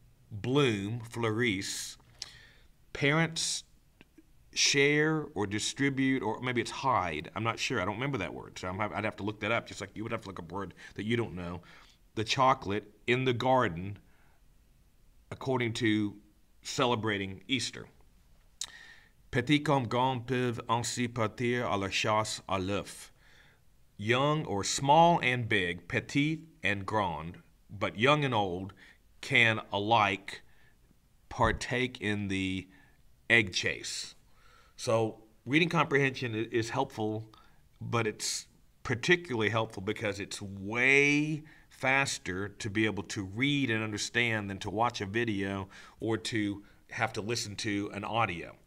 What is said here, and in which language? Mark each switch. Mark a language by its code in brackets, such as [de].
[en] Bloom, fleurisse. Parents share or distribute, or maybe it's hide. I'm not sure. I don't remember that word. So I'd have to look that up, just like you would have to look up a word that you don't know. The chocolate in the garden, according to celebrating Easter. [fr] Petit comme grand peuvent ainsi partir à la chasse à l'œuf. [en] Young or small and big, petit and grand, but young and old, can alike partake in the egg chase. So reading comprehension is helpful, but it's particularly helpful because it's way faster to be able to read and understand than to watch a video or to have to listen to an audio.